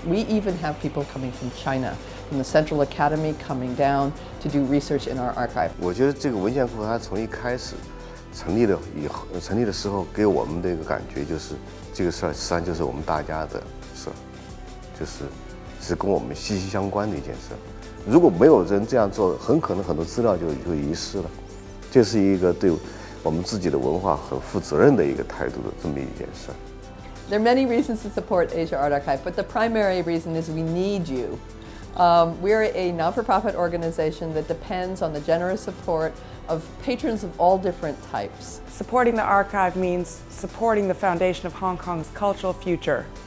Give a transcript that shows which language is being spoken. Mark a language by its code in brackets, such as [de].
[en] We even have people coming from China, from the Central Academy coming down to do research in our archive. I think this material archive, from the beginning, when it was founded, gave us the feeling that this thing is actually our everyone's thing. It's something that is closely related to us. [zh] 如果没有人这样做，很可能很多资料就会遗失了。这是一个对我们自己的文化很负责任的一个态度的这么一件事。 [en] There are many reasons to support Asia Art Archive, but the primary reason is we need you. We are a not-for-profit organization that depends on the generous support of patrons of all different types. Supporting the archive means supporting the foundation of Hong Kong's cultural future.